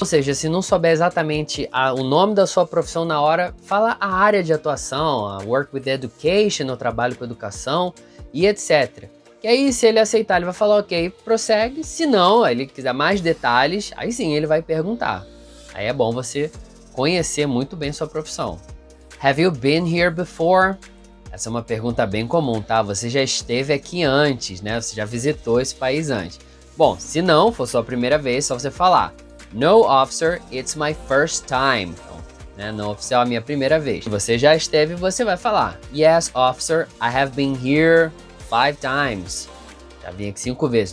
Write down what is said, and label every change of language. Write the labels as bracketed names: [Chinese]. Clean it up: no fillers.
[Portuguese] Ou seja, se não souber exatamente o nome da sua profissão na hora, fala a área de atuação, [English] a work with education, [Portuguese] o trabalho com educação e etc. Que aí, se ele aceitar, ele vai falar: Ok, prossegue. Se não, ele quiser mais detalhes, aí sim ele vai perguntar. Aí é bom você conhecer muito bem sua profissão. [English] Have you been here before? [Portuguese] Essa é uma pergunta bem comum, tá? Você já esteve aqui antes, né? Você já visitou esse país antes. Bom, se não for sua primeira vez, só você falar: [English] No, officer, it's my first time. [Portuguese] Então, né, não, oficial, é a minha primeira vez. Se você já esteve, você vai falar: [English] Yes, officer, I have been here 5 times. [Portuguese] Já vim aqui 5 vezes.